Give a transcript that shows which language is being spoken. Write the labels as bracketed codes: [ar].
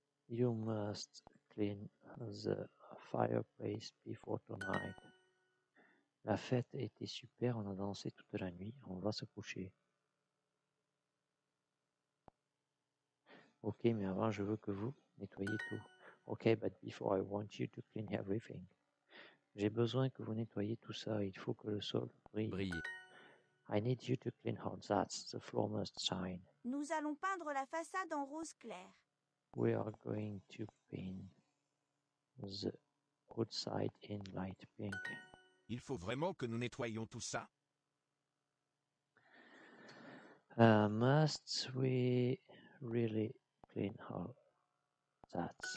[en] You must clean the fireplace before tonight. [fr] La fête était super, on a dansé toute la nuit, on va se coucher. Ok, mais avant, je veux que vous nettoyiez tout. [en] Okay, but before I want you to clean everything. [fr] J'ai besoin que vous nettoyiez tout ça. Il faut que le sol brille. [en] I need you to clean all that. The floor must shine. [fr] Nous allons peindre la façade en rose clair. [en] We are going to paint the outside in light pink. [fr] Il faut vraiment que nous nettoyions tout ça. [en] Must we really clean all that?